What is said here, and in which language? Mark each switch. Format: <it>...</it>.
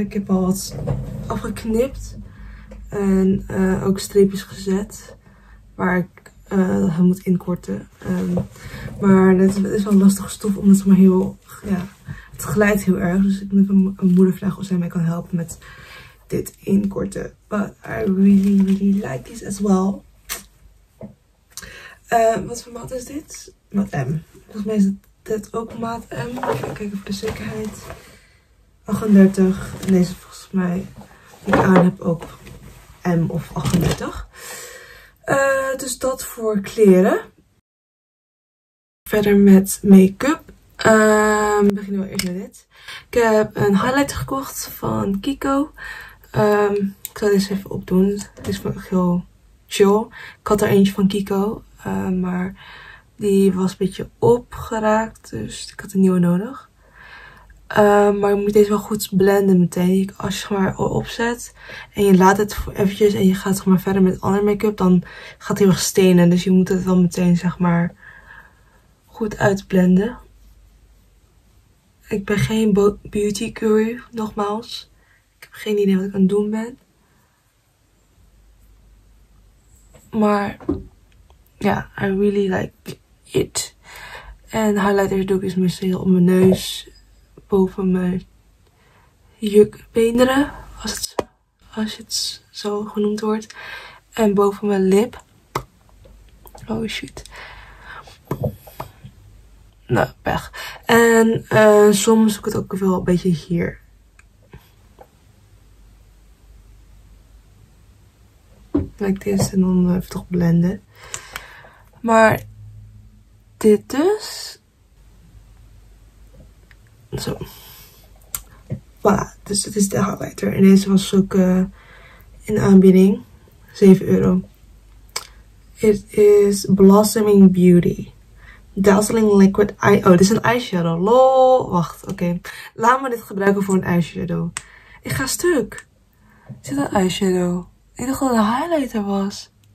<nl>Ik heb al wat afgeknipt. En ook streepjes gezet. Waar ik hem moet inkorten. Maar het is wel een lastige stof. Omdat het maar heel... Ja, het glijdt heel erg. Dus ik moet even mijn moeder vragen of zij mij kan helpen met dit inkorten.</nl> <en>But I really, really like this as well.</en> <nl>Wat voor maat is dit? Maat M. Volgens mij is dit ook maat M. Even kijken voor de zekerheid. 38. En deze volgens mij, die ik aan heb, ook M of 38. Dus dat voor kleren. Verder met make-up. We beginnen wel eerst met dit. Ik heb een highlighter gekocht van Kiko. Ik zal deze even opdoen. Dit is van heel chill. Ik had er eentje van Kiko. Maar die was een beetje opgeraakt. Dus ik had een nieuwe nodig. Maar je moet deze wel goed blenden meteen. Als je maar opzet en je laat het eventjes en je gaat zeg maar verder met andere make-up, dan gaat hij wel stenen. Dus je moet het wel meteen zeg maar goed uitblenden. Ik ben geen beauty guru, nogmaals. Ik heb geen idee wat ik aan het doen ben. Maar ja,</nl> <en>yeah, I really like it.</en> <nl>En highlighter doe ik dus meestal op mijn neus. Boven mijn jukbeenderen, als het zo genoemd wordt. En boven mijn lip. Oh shit. Nou, pech. En soms doe ik het ook wel een beetje hier.</nl> <en>Like this</en> <nl>en dan even toch blenden. Maar dit dus. Zo. Voilà, dus dit is de highlighter. En deze was ook in aanbieding. 7 euro.</nl> <en>It is Blossoming Beauty.</en> <nl>Dazzling Liquid Eye. Oh, dit is een eyeshadow. Lol. Wacht, oké. Okay. Laat me dit gebruiken voor een eyeshadow. Ik ga stuk. Is dit een eyeshadow? Ik dacht dat het een highlighter was.</nl>